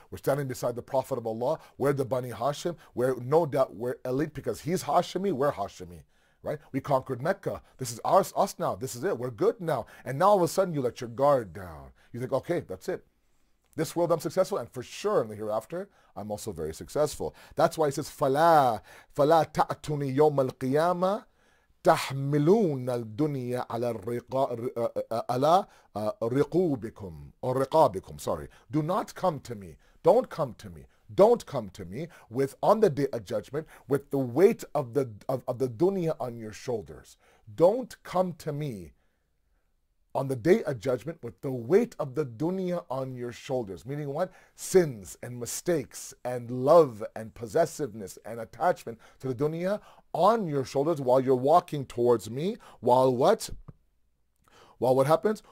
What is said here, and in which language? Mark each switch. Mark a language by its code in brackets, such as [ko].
[en] We're standing beside the Prophet of Allah. We're the Bani Hashim. We're no doubt, we're elite because he's Hashimi, we're Hashimi. Right? We conquered Mecca. This is ours, us now. This is it. We're good now. And now all of a sudden you let your guard down. You think, okay, that's it. This world I'm successful, and for sure in the hereafter, I'm also very successful. That's why he says, [ar] فَلَا تَعْتُنِي يَوْمَ الْقِيَامَةِ تَحْمِلُونَ الدُّنِيَا عَلَى رِقُوبِكُمْ or رِقَابِكُمْ, sorry. [en] Do not come to me. Don't come to me. Don't come to me with, on the day of judgment, with the weight of the dunya on your shoulders. Don't come to me on the day of judgment with the weight of the dunya on your shoulders. Meaning what? Sins and mistakes and love and possessiveness and attachment to the dunya on your shoulders while you're walking towards me. While what? While what happens?